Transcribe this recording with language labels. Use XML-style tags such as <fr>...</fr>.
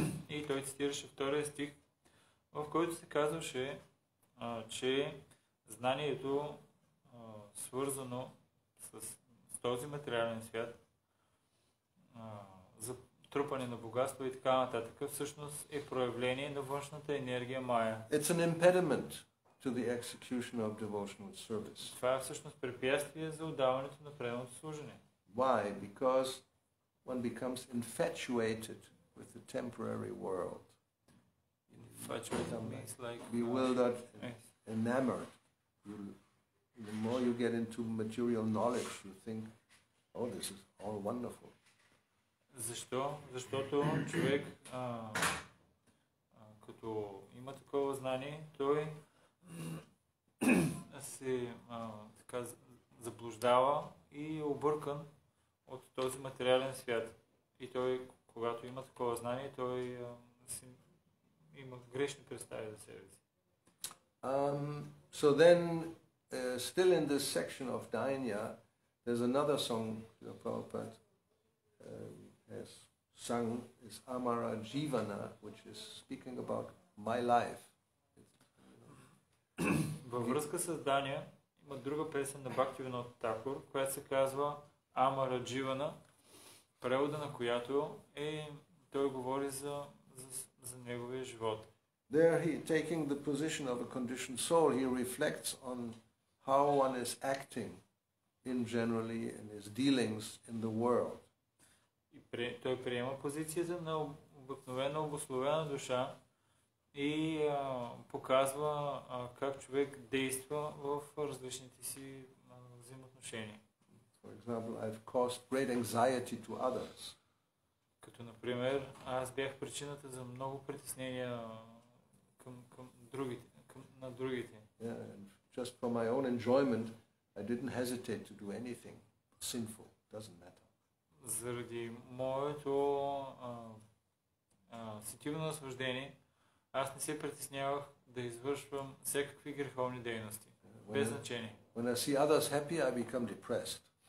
<bg>И той цитираше втория стих, в който се казваше, че знанието, свързано с този материален свят, за трупане на богатство и така нататък, всъщност е проявление на външната енергия Майя.</bg> <en>It's an impediment to the execution of devotional service.</en> <bg>Това е всъщност препятствие за отдаването на преданото служение.</bg> <en>Why? Because one becomes infatuated with the temporary world. Infatuated means like... bewildered, enamored. The more you get into material knowledge, you think, oh, this is all wonderful.</en> <bg>Защо? Защото човек, като има такова знание, той се така заблуждава и е объркан от този материален свят. И той, когато има такова знание, той има грешни представи за себе си.</bg> <en>So then, still in this section of Dainya, there's another song of Prabhupada. Has sung is Amara Jivana, which is speaking about my life.</en> <bg>Във връзка с Дания има друга песен на Бхактивинод Такур, която се казва Амара Дживана, превода на която е той говори за неговия живот.</bg> <en>There he taking the position of a conditioned soul, he reflects on how one is acting in generally in his dealings in the world.</en> <bg>Той приема позицията на обикновена обусловена душа и показва как човек действа в различните си взаимоотношения.</bg> <en>For example, I've caused great anxiety to others.</en> <bg>Като например, аз бях причината за много притеснения към другите, на другите.</bg> <en>Yeah, and just for my own enjoyment, I didn't hesitate to do anything sinful. Doesn't matter.</en> <bg>Заради моето сетивно наслаждение, аз не се притеснявах да извършвам всякакви греховни дейности.</bg> <en>When</en> <bg>без значение.</bg> <en>When I see others happy, I become depressed.</en>